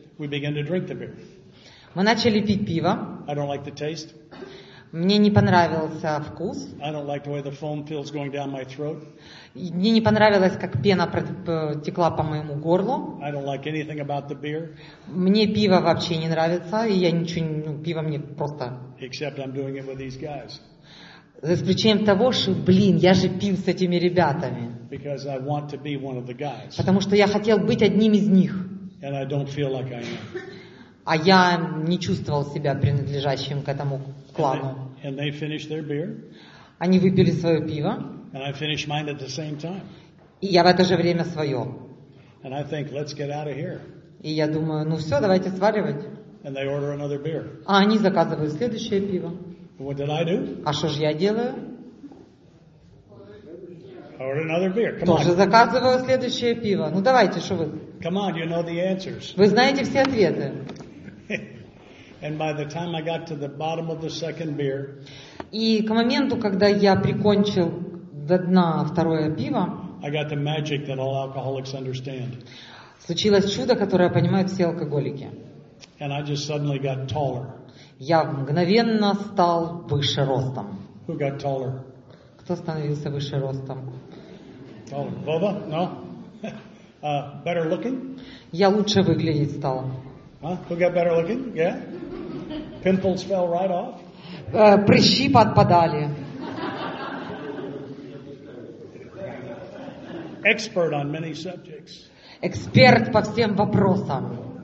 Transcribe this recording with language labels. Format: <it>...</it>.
<en>We began to drink the beer.</en> <ru>Мы начали пить пиво.</ru> <en>I don't like the taste.</en> <ru>Мне не понравился вкус.</ru> <en>I don't like the way the foam feels going down my throat.</en> <ru>Мне не понравилось, как пена текла по моему горлу.</ru> <en>I don't like anything about the beer.</en> <ru>Мне пиво вообще не нравится, и я ничего, ну, пиво мне просто.</ru> <en>Except I'm doing it with these guys.</en> <ru>За исключением того, что, блин, я же пил с этими ребятами.</ru> <en>Because I want to be one of the guys.</en> <ru>Потому что я хотел быть одним из них.</ru> <en>And I don't feel like I am.</en> <ru>А я не чувствовал себя принадлежащим к этому клану.</ru> <en>And they finished their beer.</en> <ru>Они выпили свое пиво.</ru> <en>And I finished mine at the same time.</en> <ru>И я в это же время свое.</ru> <en>And I think, let's get out of here.</en> <ru>И я думаю, ну все, давайте сваливать.</ru> <en>And they order another beer.</en> <ru>А они заказывают следующее пиво.</ru> <en>What did I do?</en> <ru>А что же я делаю?</ru> <en>Order another beer. Come</en> <ru>Тоже</ru> <en>on.</en> <ru>Заказываю следующее пиво. Ну давайте, что вы?</ru> <en>Come on, you know the answers.</en> <ru>Вы знаете все ответы.</ru> <en>And by the time I got to the bottom of the second beer,</en> <ru>и к моменту, когда я прикончил до дна второе пиво,</ru> <en>I got the magic that all alcoholics understand.</en> <ru>Случилось чудо, которое понимают все алкоголики.</ru> <en>And I just suddenly got taller.</en> <ru>Я мгновенно стал выше ростом.</ru> <en>Who got taller?</en> <ru>Кто становился выше ростом?</ru> <en>Taller. Вова? No. Better looking?</en> <ru>Я лучше выглядеть стал.</ru> <en>Huh? Who got better looking? Yeah. Pimples fell right off.</en> <ru>Прыщи подпадали.</ru> <en>Expert on many subjects.</en> <ru>Эксперт по всем вопросам.</ru>